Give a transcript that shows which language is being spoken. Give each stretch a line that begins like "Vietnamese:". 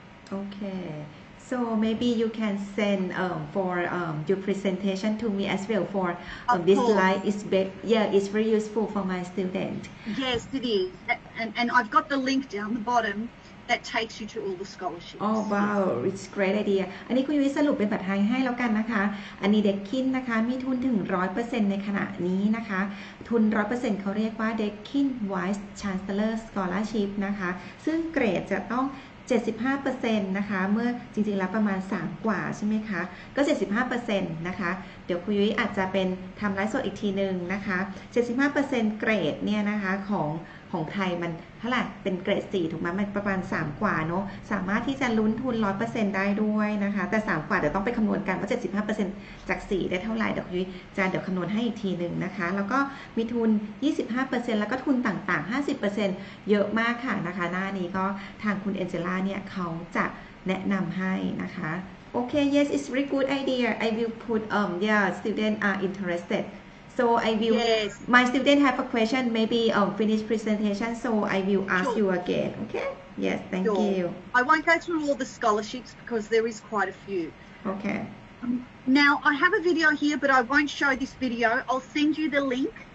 English: Okay. So maybe you can send for your presentation to me as well for this slide is it's very useful for my student. Yes, it is. And I've got the link down the bottom that takes you to all the scholarships. Oh wow, it's great idea.
Thai: อันนี้คุณยุ้ยสรุปเป็นภาษาไทยให้แล้วกันนะคะอันนี้ Deakin นะคะมีทุนถึง 100% ในขณะนี้นะคะทุน 100% เขาเรียกว่า Deakin Vice Chancellor Scholarship นะคะซึ่งเกรดจะต้อง 75% นะคะเมื่อจริงๆแล้วประมาณ3กว่าใช่ไหมคะก็ 75% นะคะเดี๋ยวคุณยุ้ยอาจจะเป็นทำไลฟ์สดอีกทีนึงนะคะ 75% เกรดเนี่ยนะคะขอ งไทยมันเท่าไหร่เป็นเกรด4ถูกไหมมันประมาณ3กว่าเนาะสามารถที่จะลุ้นทุน 100% ได้ด้วยนะคะแต่3กว่าเดี๋ยวต้องไปคำนวณกันว่า 75% จาก4ได้เท่าไหร่เดี๋ยวยุ้ยจะเดี๋ยวคำนวณให้อีกทีนึงนะคะแล้วก็มีทุน 25% แล้วก็ทุนต่างๆ 50% เยอะมากค่ะนะคะหน้านี้ก็ทางคุณเอ็นเจล่าเนี่ยเขาจะแนะนำให้นะคะโอเค
English: yes it's really good idea I will put yeah student are interestedSo I will, yes. My student have a question, maybe finish presentation, so I will ask sure. you again, okay? Yes, thank sure. you. I won't go through all the scholarships because there is quite a few. Okay. Now, I have a video here, but I won't show this video. I'll send you the link.